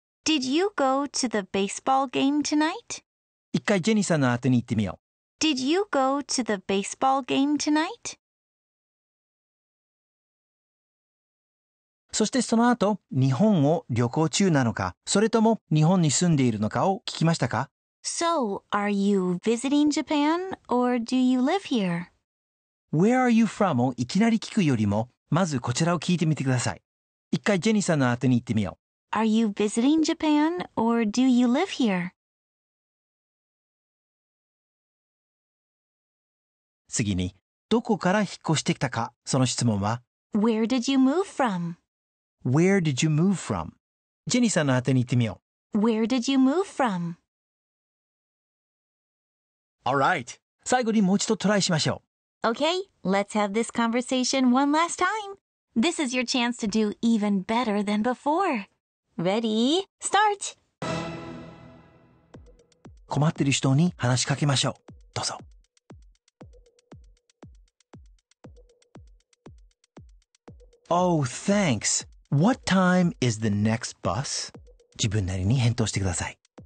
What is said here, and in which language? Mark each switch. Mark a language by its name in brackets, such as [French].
[English] Did you go to the baseball game tonight? [Japanese] 一回ジェニーさんの後に行ってみよう。 [English] Did you go to the baseball game tonight? [Japanese] そしてその後、日本を旅行中なのか、それとも日本に住んでいるのかを聞きましたか? [English] So, are you visiting Japan or do you live here? Where are you from? [Japanese] をいきなり聞くよりも、まずこちらを聞いてみてください。一回ジェニーさんの後に行ってみよう。 [English] Are you visiting Japan or do you live here? [Japanese] 次に、どこから引っ越してきたか、その質問は [English] Where did you move from? Where did you move from? [Japanese] ジェニーさんの後に行ってみよう。 [English] Where did you move from? All right. [Japanese] 最後にもう一度トライしましょう。 [English] Okay, let's have this conversation one last time. This is your chance to do even better than before. Ready? Start! [Japanese] 困ってる人に話しかけましょう。どうぞ。 [English] Oh, thanks. What time is the next bus? [Japanese] 自分なりに返答してください。